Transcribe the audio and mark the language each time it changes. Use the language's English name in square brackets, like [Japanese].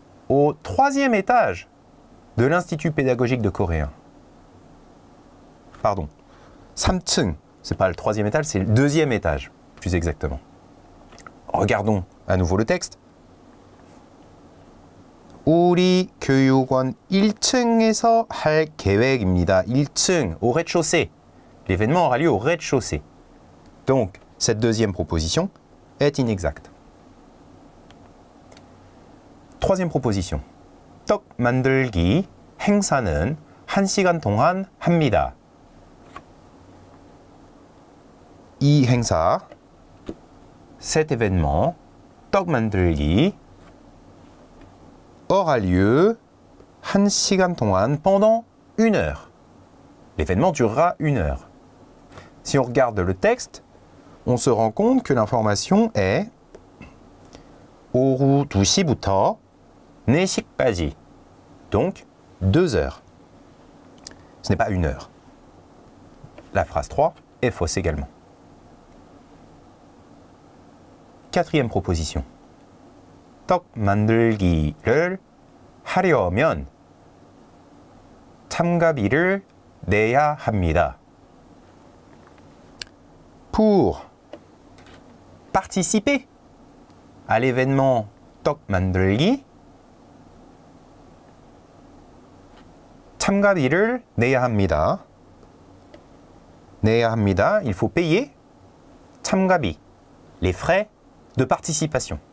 [French] Au troisième étage de l'Institut pédagogique de coréen. Pardon. 3층. C'est pas le troisième étage, c'est le deuxième étage, plus exactement. Regardons à nouveau le texte. [Korean] 우리 교육원 1층에서 할 계획입니다. [French] 1층, au rez-de-chaussée. L'événement aura lieu au rez-de-chaussée. Donc, cette deuxième proposition est inexacte. Troisième proposition. [Korean] 떡 만들기 행사는 1시간 동안 합니다. 이 행사, [French] cet événement, 떡 만들기, aura lieu [Korean] 1시간 동안, [French] pendant une heure. L'événement durera une heure. Si on regarde le texte, on se rend compte que l'information est [Korean] 오후 2시부터 4시까지. [French] Donc, 2 heures. Ce n'est pas une heure. La phrase 3 est fausse également. Quatrième proposition. [Korean] 떡 만들기를 하려면 참가비를 내야 합니다. [French] Pour participer à l'événement 떡 만들기, [Korean] 참가비를 내야 합니다. 내야 합니다. [French] Il faut payer 참가비, les frais de participation.